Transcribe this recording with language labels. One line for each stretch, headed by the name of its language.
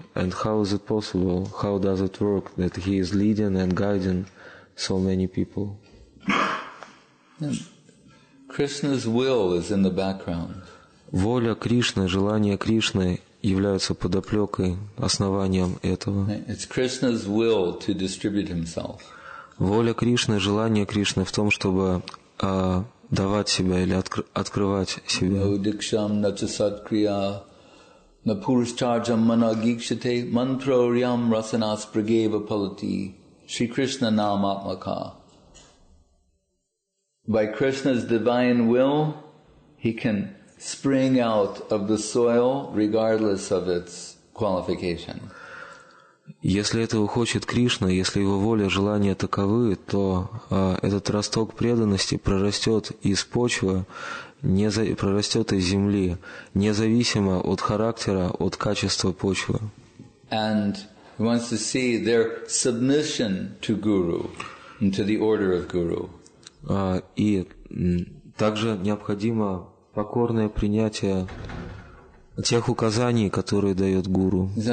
English: And how is it possible? How does it work that he is leading and guiding so many people? Krishna's will is in the background.
Russian: Воля Кришны, желание Кришны. Являются подоплекой, основанием этого.
English: It's Krishna's will to distribute himself.
Russian: Воля Кришны, желание Кришны в том, чтобы давать себя или открывать себя.
Sanskrit: Наудикшам начасадкрия напурушчарджам манагикшите мантро риам расанас прагева палати Шри Кришна нам атмака.
English: By Krishna's divine will, he can spring out of the soil, regardless of its qualification.
Russian: Если этого хочет Кришна, если его воля, желания таковы, то этот росток преданности прорастет из почвы, прорастет из земли, независимо от характера, от качества почвы.
English: And he wants to see their submission to Guru, and to the order of Guru.
Russian: И также необходимо покорное принятие тех указаний, которые дает гуру.